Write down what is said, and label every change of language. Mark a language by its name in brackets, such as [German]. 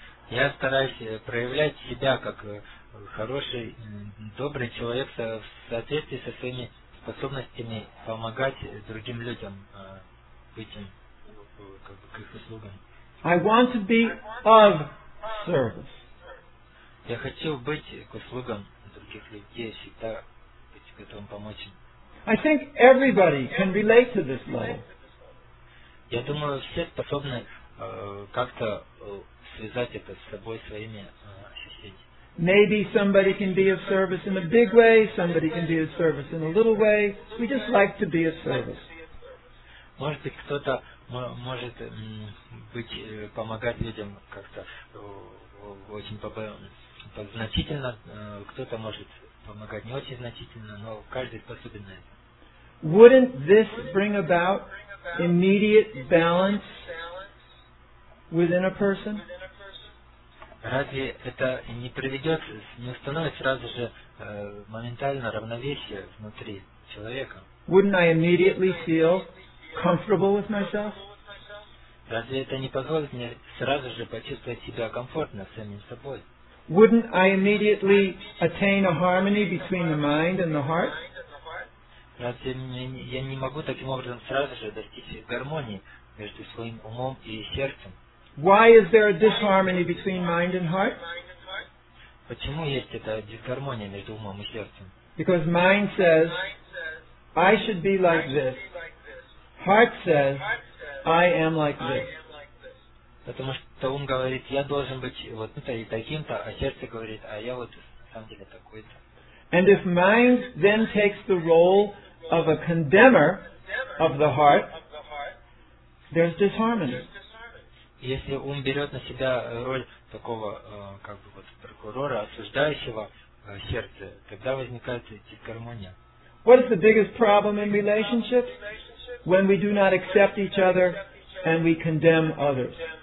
[Russian] Я стараюсь проявлять себя как хороший, добрый человек в соответствии со своими способностями помогать другим людям, быть им, к их услугам. [English] I want to be of service. [Russian] Я хочу быть к услугам других людей, всегда быть готовым помочь им. [English] I think everybody can relate to this level. [Russian] Я думаю, все способны как-то связать это с собой, своими ощущениями. [English] Maybe somebody can be of service in a big way, somebody can be of service in a little way. We just like to be of service. [Russian] Может быть, кто-то может быть помогать людям как-то очень значительно, кто-то может помогать не очень значительно, но каждый способен на это. [English] Wouldn't this bring about immediate balance within a person? [Russian] Разве это не приведет, не установит сразу же моментально равновесие внутри человека? [English] Wouldn't I immediately feel comfortable with myself? [Russian] Разве это не позволит мне сразу же почувствовать себя комфортно самим собой? [English] Wouldn't I immediately attain a harmony between the mind and the heart? [Russian] Разве я не могу таким образом сразу же достичь гармонии между своим умом и сердцем? [English] Why is there a disharmony between mind and heart? [Russian] Почему есть эта дисгармония между умом и сердцем? [English] Because mind says, I should be like this. Heart says, I am like this. [Russian] Потому что ум говорит, я должен быть вот это и таким-то, а сердце говорит, а я вот на самом деле такой-то. [English] And if mind then takes the role of a condemner of the heart, there's disharmony. [Russian] Если ум берет на себя роль такого прокурора, осуждающего сердце, тогда возникает дисгармония. [English] What is the biggest problem in relationships? When we do not accept each other and we condemn others.